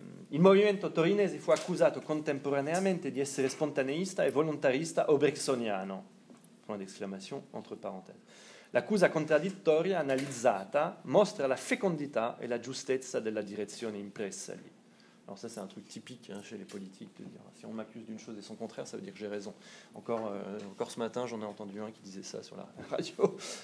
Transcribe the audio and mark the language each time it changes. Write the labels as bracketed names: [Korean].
[Italian] Il movimento torinese fu accusato contemporaneamente di essere spontaneista e volontarista o bergsoniano. [French] Point d'exclamation, entre parenthèses. [Italian] L'accusa contraddittoria analizzata mostra la fecondità e la giustezza della direzione impressa lì. [French] Alors ça, c'est un truc typique, hein, chez les politiques, de dire si on m'accuse d'une chose et son contraire, ça veut dire que j'ai raison. Encore ce matin, j'en ai entendu un qui disait ça sur la radio.